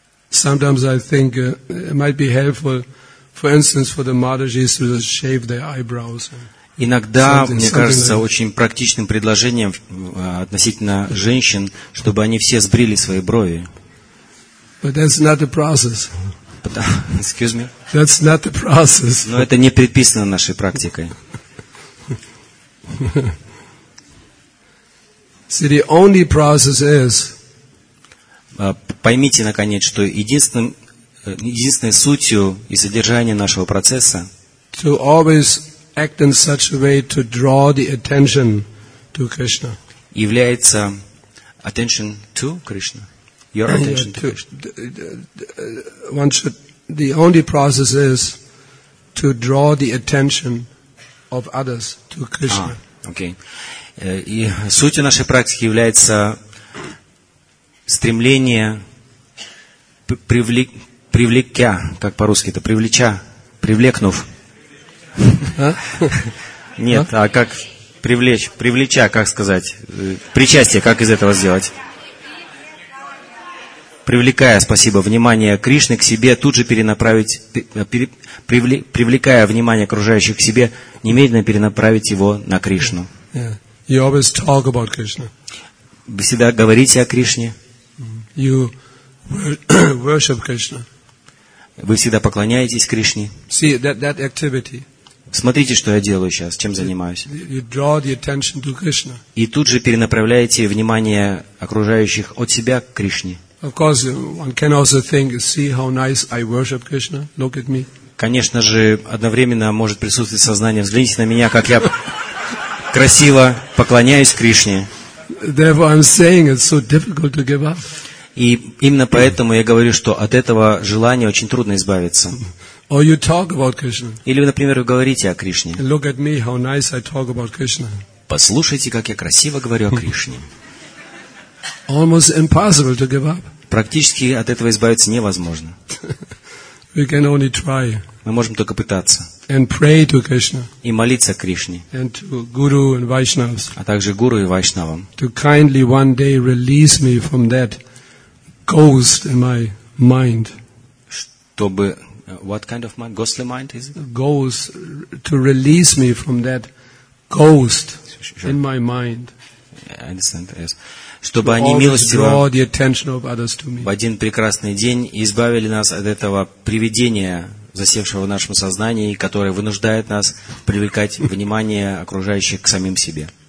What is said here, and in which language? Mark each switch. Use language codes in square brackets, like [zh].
[en] Sometimes I think it might be helpful, for instance, for the Madhujis to just shave their eyebrows. [ru] Иногда, мне кажется, очень практичным предложением относительно женщин, чтобы они все сбрили свои брови. [en] But that's not the process. Excuse me. That's not the process. [ru] Но это не предписано нашей практикой. [en] See, the only process is. [ru] Поймите наконец, что единственной сутью и содержанием нашего процесса. [en] To always act in such a way to draw the attention to Krishna. [ru] Является [en] attention to Krishna. Your attention to Krishna. The only process is to draw the attention of others to Krishna. Okay. [ru] И суть нашей практики является стремление привлекя, как по-русски это, привлекнув. Нет, а как привлечь, привлеча, как сказать, причастие, как из этого сделать? Привлекая, спасибо, внимание Кришны к себе, тут же привлекая внимание окружающих к себе, немедленно перенаправить его на Кришну. [en] Yeah. You always talk about Krishna. [ru] Вы всегда говорите о Кришне. [en] You worship Krishna. [ru] Вы всегда поклоняетесь Кришне. [en] See, that activity. [ru] Смотрите, что я делаю сейчас, чем занимаюсь. [en] You draw the attention to Krishna. [ru] И тут же перенаправляете внимание окружающих от себя к Кришне. [en] Of course, one can also think, see how nice I worship Krishna. Look at me. [ru] Конечно же, одновременно может присутствовать сознание. Взгляните на меня, как я красиво поклоняюсь Кришне. [en] Therefore, I'm saying it's so difficult to give up. [ru] И именно поэтому я говорю, что от этого желания очень трудно избавиться. [en] Or you talk about Krishna. [ru] Или, например, вы говорите о Кришне. [en] Look at me, how nice I talk about Krishna. [ru] Послушайте, как я красиво говорю о Кришне. [en] Almost impossible to give up. [ru] Практически от этого избавиться невозможно. [en] We can only try. [ru] Мы можем только пытаться. [en] And pray to Krishna. [ru] И молиться Кришне. [en] And to Guru and Vaishnavas. [ru] А также Гуру и Вайшнавам. [en] To kindly one day release me from that ghost in my mind. [ru] Чтобы [en] what kind of mind? Ghostly mind is it? Ghost to release me from that ghost in my mind. I understand. Yes. [ru] Чтобы они милостиво в один прекрасный день избавили нас от этого привидения, засевшего в нашем сознании, которое вынуждает нас привлекать внимание окружающих к самим себе.